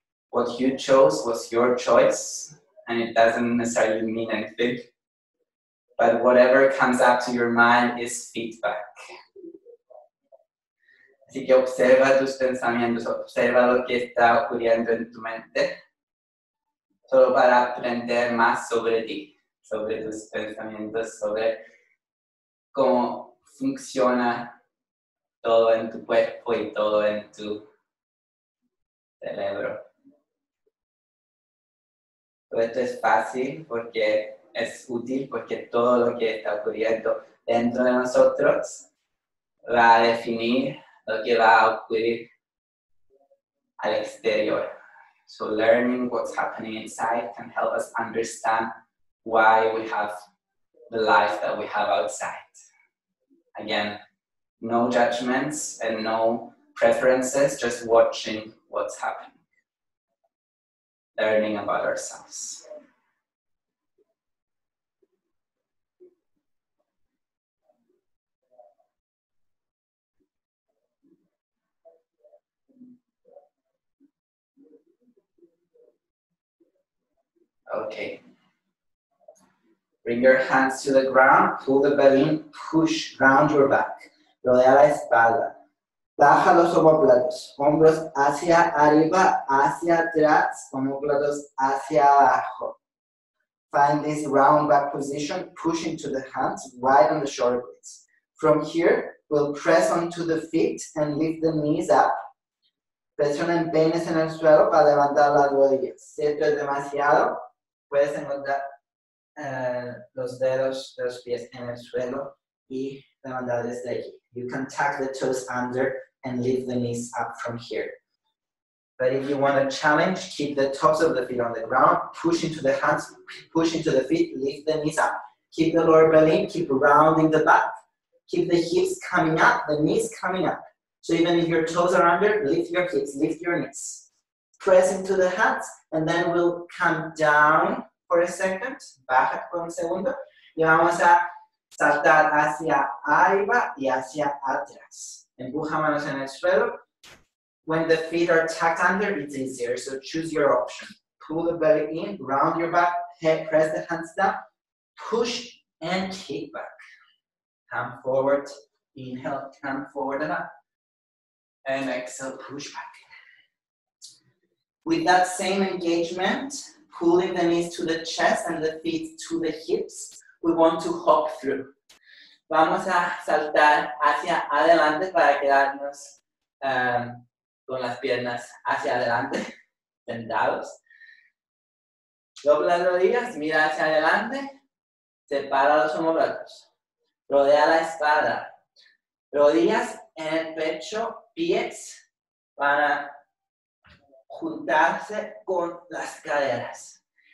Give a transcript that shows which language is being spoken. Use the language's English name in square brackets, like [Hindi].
[English] What you chose was your choice, and it doesn't necessarily mean anything. But whatever comes up to your mind is feedback. [Spanish] Así que observa tus pensamientos, observa lo que está ocurriendo en tu mente. Solo para aprender más sobre ti, sobre tus pensamientos, sobre cómo funciona todo en tu cuerpo y todo en tu cerebro. Todo esto es fácil porque es útil, porque todo lo que está ocurriendo dentro de nosotros va a definir lo que va a ocurrir al exterior. [English] So learning what's happening inside can help us understand why we have the life that we have outside. Again, no judgments and no preferences, just watching what's happening. Learning about ourselves. Okay, bring your hands to the ground, pull the belly in, push round your back. [Spanish] Rodea la espalda, baja los omóplatos, hombros hacia arriba, hacia atrás, omóplatos hacia abajo. [English] Find this round back position, push into the hands, widen the shoulder blades. From here, we'll press onto the feet and lift the knees up. [Spanish] Presionen peines en el suelo para levantar las rodillas. Si esto es demasiado, puedes encontrar los dedos de los pies en el suelo y levantar desde aquí. [English] You can tuck the toes under and lift the knees up from here. But if you want a challenge, keep the tops of the feet on the ground, push into the hands, push into the feet, lift the knees up. Keep the lower belly, keep rounding the back. Keep the hips coming up, the knees coming up. So even if your toes are under, lift your hips, lift your knees. Press into the hands, and then we'll come down for a second. [Spanish] Baja por un segundo. Y vamos a saltar hacia arriba y hacia atrás. Empuja manos en el suelo. [English] When the feet are tucked under, it's easier, so choose your option. Pull the belly in, round your back, head, press the hands down, push and kick back. Come forward, inhale, come forward and up. And exhale, push back. With that same engagement, pulling the knees to the chest and the feet to the hips, we want to hop through. [Spanish] Vamos a saltar hacia adelante para quedarnos con las piernas hacia adelante, sentados. Dobla las rodillas, mira hacia adelante, separa los omóplatos, rodea la espalda, rodillas en el pecho, pies para juntarse con las caderas.